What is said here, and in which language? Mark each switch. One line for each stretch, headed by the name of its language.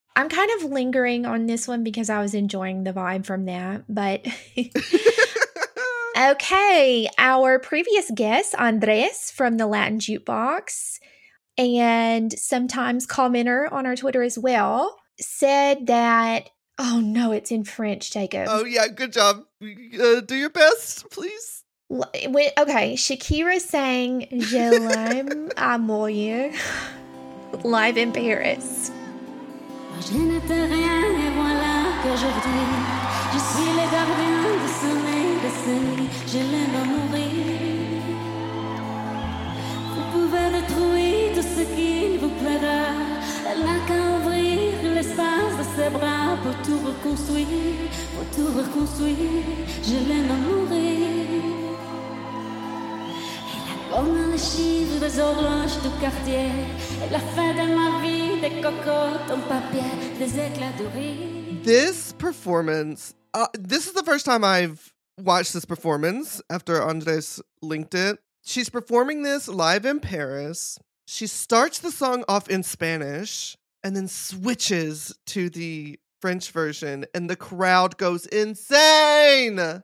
English: I'm kind of lingering on this one because I was enjoying the vibe from that, but okay. Our previous guest, Andres from the Latin Jukebox, and sometimes commenter on our Twitter as well, said that, oh no, it's in French, Jacob. Oh yeah, good job. Do your best, please. Okay, Shakira sang Je l'aime à moi live in Paris.
French: Je n'étais rien et voilà qu'aujourd'hui je suis le gardien du sommeil de ce nid. Je l'aime à mourir. Vous pouvez détruire tout ce qu'il vous plaira. Elle n'a qu'à ouvrir l'espace de ses bras pour tout reconstruire, pour tout reconstruire. Je l'aime à mourir. Comme les chiffres des horloges du quartier, et la fin de ma vie, des cocottes en papier, des éclats de riz.
English: This performance, this is the first time I've watched this performance after Andres linked it. She's performing this live in Paris. She starts the song off in Spanish and then switches to the French version, and the crowd goes insane.